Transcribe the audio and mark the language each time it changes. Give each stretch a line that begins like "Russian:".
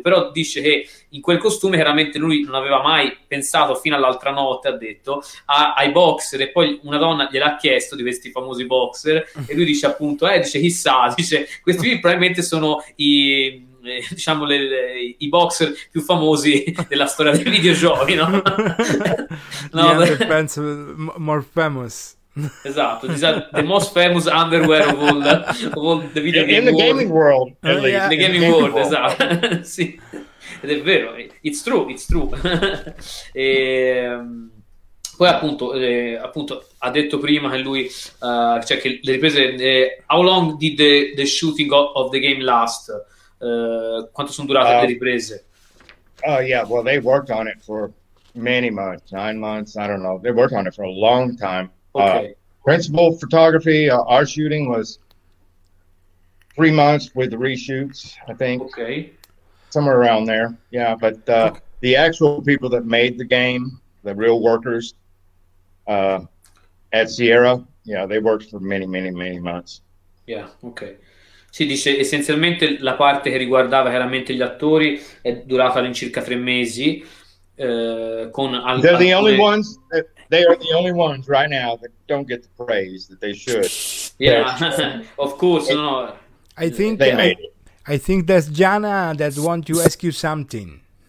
Italian: Però dice che in quel costume chiaramente lui non aveva mai pensato fino all'altra notte, ha detto, ai boxer, e poi una donna gliel'ha chiesto di questi famosi boxer, e lui dice appunto, dice chissà, dice, questi qui probabilmente sono diciamo i boxer più famosi della storia dei videogiochi, no?
English: No, the pants more famous.
Italian: Esatto,
English: the most famous underwear of all the video in game the world. Gaming world, in the gaming, gaming world, world.
Italian: Esatto. Sì. Ed è vero,
English: it's true, it's true. E poi appunto, appunto ha detto prima che lui cioè che le riprese how long did the shooting of the game last, quanto sono durate le riprese? Yeah, well they worked on it for many months, 9 months, I don't know, they worked on it for a long time. Okay. Principal photography, our shooting was 3 months with reshoots, I think. Okay. Somewhere around there, yeah. But the actual people that made the game, the real workers at Sierra, yeah, they worked for many, many, many months. Yeah, okay.
Italian: Si dice essenzialmente la parte che riguardava chiaramente gli attori è durata all'incirca 3 mesi. Con
English: they're the only ones that, they are the only ones right now that don't get the praise that they should. Yeah, of course. It, no. I think they made it. I think that's Jana that wants to ask you something.